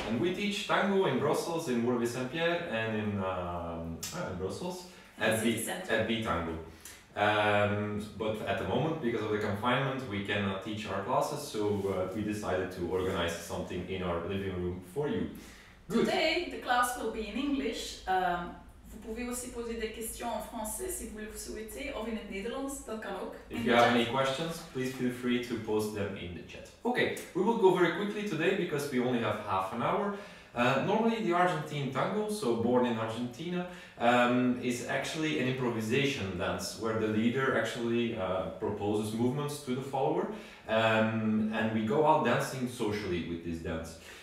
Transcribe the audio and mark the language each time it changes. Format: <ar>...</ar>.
<en>And we teach tango in Brussels, in Bourg Saint-Pierre, and in Brussels at B-Tango. But at the moment, because of the confinement, we cannot teach our classes, so we decided to organize something in our living room for you. Good. Today, the class will be in English.</en> <fr>Vous pouvez aussi poser des questions en français si vous le souhaitez, ou en Nederlands,</fr> <nl>dat kan ook.</nl> <en>If you have any questions, please feel free to post them in the chat. Okay, we will go very quickly today because we only have half an hour. Normally, the Argentine tango, so born in Argentina, is actually an improvisation dance where the leader actually proposes movements to the follower, and we go out dancing socially with this dance.</en>